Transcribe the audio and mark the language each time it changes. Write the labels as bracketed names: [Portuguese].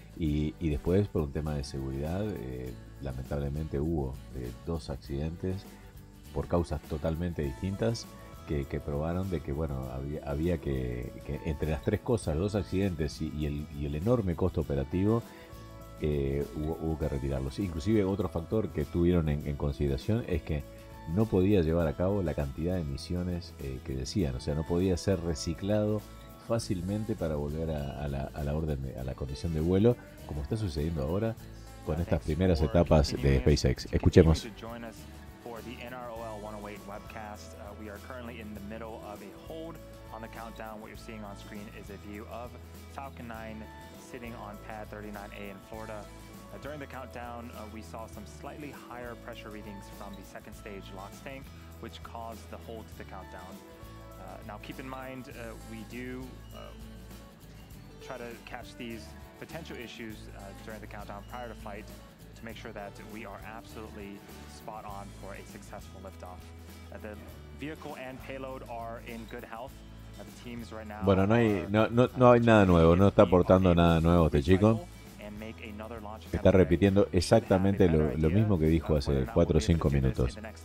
[Spanish] Y después, por un tema de seguridad, lamentablemente hubo dos accidentes por causas totalmente distintas que probaron de que, bueno, había que entre las tres cosas, los dos accidentes y el enorme costo operativo, hubo que retirarlos. Inclusive otro factor que tuvieron en consideración es que no podía llevar a cabo la cantidad de misiones que decían. O sea, no podía ser reciclado fácilmente para volver a la condición de vuelo, como está sucediendo ahora con estas primeras etapas de SpaceX. Escuchemos. [English] For the NROL 108 webcast, we are currently in the middle of a hold on the countdown. What you're seeing on screen is a view of Falcon 9 sitting on pad 39A in Florida. During the countdown, we saw some slightly higher pressure readings from the second stage LOX tank, which caused the hold to the countdown. Now keep in mind, we do try to catch these potential issues during the countdown prior to flight, make sure that we are absolutely spot on for a successful liftoff. The vehicle and payload are in good health. The teams right now. [Spanish] Bueno, no hay nada nuevo, no está aportando nada nuevo este chico. Está repitiendo exactamente lo mismo que dijo hace 4 o 5 minutos.